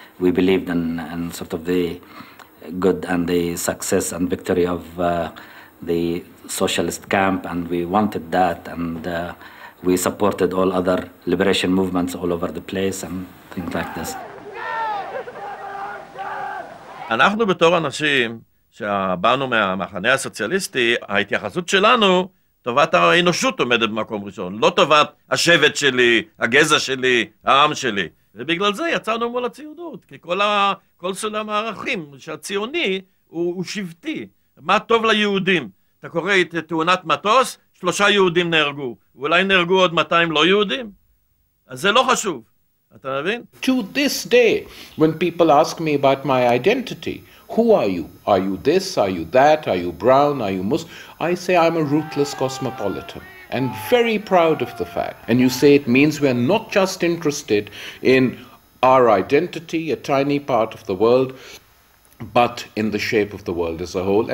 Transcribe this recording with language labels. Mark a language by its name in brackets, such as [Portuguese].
[English] We believed in sort of the good and the success and victory of the socialist camp, and we wanted that, and we supported all other liberation movements all over the place, and things like this. [Hebrew] אנחנו בתור אנשים שבאנו מהמחנה הסוציאליסטי, ההתייחסות שלנו, טובת האנושות עומדת במקום ראשון, לא טובת השבט שלי, הגזע שלי, העם שלי. ובגלל זה יצאנו מול הציונות, כי כל סולם הערכים שהציוני הוא שבטי. מה טוב ליהודים? אתה קורא את תאונת מטוס, שלושה יהודים נהרגו. אולי נהרגו עוד 200 לא יהודים? אז זה לא חשוב. [English] To this day, when people ask me about my identity, who are you? Are you this? Are you that? Are you brown? Are you Muslim? I say I'm a ruthless cosmopolitan and very proud of the fact. And you say it means we're not just interested in our identity, a tiny part of the world, but in the shape of the world as a whole.